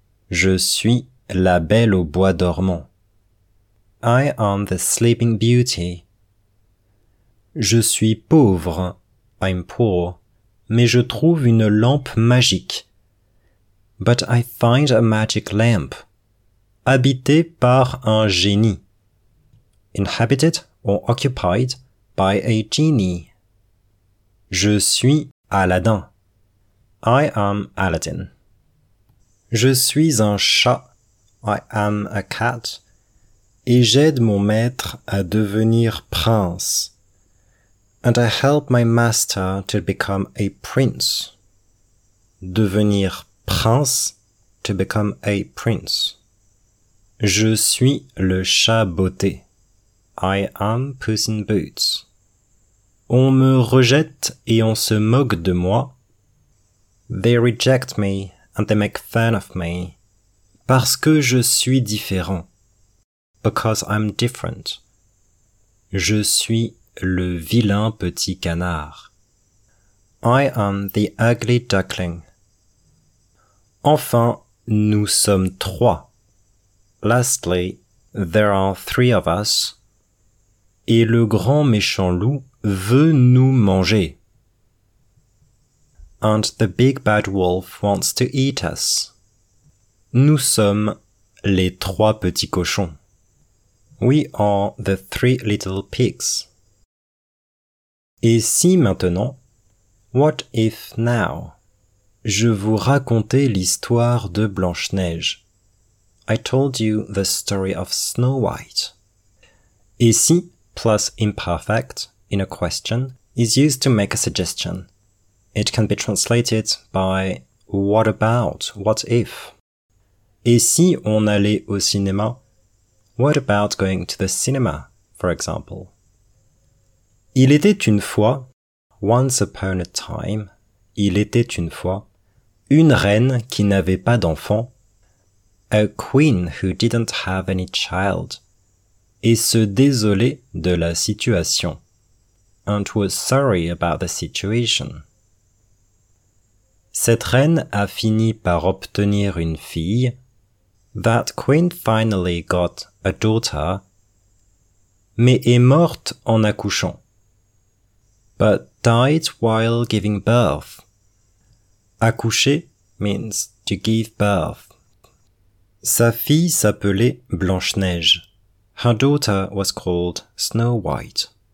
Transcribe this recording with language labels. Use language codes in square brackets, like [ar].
[fr] Je suis la belle au bois dormant. [en] I am the sleeping beauty. [fr] Je suis pauvre. [en] I'm poor. [fr] Mais je trouve une lampe magique. [en] But I find a magic lamp. [fr] Habité par un génie. [en] Inhabited or occupied by a genie. [fr] Je suis Aladdin. [en] I am Aladdin. [fr] Je suis un chat. [en] I am a cat. [fr] Et j'aide mon maître à devenir prince. [en] And I help my master to become a prince. [fr] Devenir prince, [en] to become a prince. [fr] Je suis le chat beauté. [en] I am Puss in Boots. [fr] On me rejette et on se moque de moi. [en] They reject me and they make fun of me. [fr] Parce que je suis différent. [en] Because I'm different. [fr] Je suis le vilain petit canard. [en] I am the ugly duckling. [fr] Enfin, nous sommes trois. [en] Lastly, there are three of us. [fr] Et le grand méchant loup veut nous manger. [en] And the big bad wolf wants to eat us. [fr] Nous sommes les trois petits cochons. [en] We are the three little pigs. [fr] Et si maintenant, [en] what if now, [fr] je vous racontais l'histoire de Blanche-Neige? [en] I told you the story of Snow White. [fr] Et si, [en] plus imperfect, in a question, is used to make a suggestion. It can be translated by what about, what if. [fr] Et si on allait au cinéma? [en] What about going to the cinema, for example? [fr] Il était une fois, [en] once upon a time, [fr] il était une fois, une reine qui n'avait pas d'enfant, [en] a queen who didn't have any child, [fr] et se désolait de la situation, [en] and was sorry about the situation. [fr] Cette reine a fini par obtenir une fille, [en] that queen finally got a daughter, [fr] mais est morte en accouchant. [en] But died while giving birth. Accoucher means to give birth. [fr] Sa fille s'appelait Blanche-Neige. [en] Her daughter was called Snow White.